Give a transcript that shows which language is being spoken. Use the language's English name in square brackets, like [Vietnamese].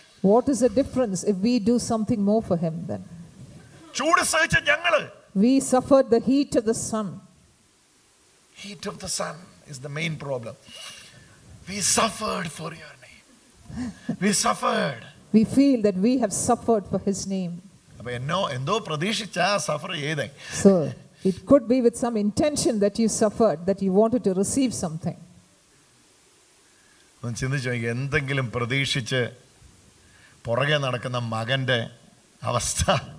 [English] What is the difference if we do something more for him then? [Malayalam] ചൂട് സഹിച്ച ഞങ്ങള്. [English] We suffered the heat of the sun. Heat of the sun is the main problem. We suffered for your name. We suffered. We feel that we have suffered for his name. [Malayalam] അപ്പോൾ എന്നോ എന്തോ പ്രതീക്ഷിച്ച Zafar ചെയ്തെ. [English] So it could be with some intention that you suffered, that you wanted to receive something. [Malayalam] ഒന്ന് ചിന്തിച്ചു നോക്കിയേ, എന്തെങ്കിലും പ്രതീക്ഷിച്ച് പുറകെ നടക്കുന്ന മകന്റെ അവസ്ഥ.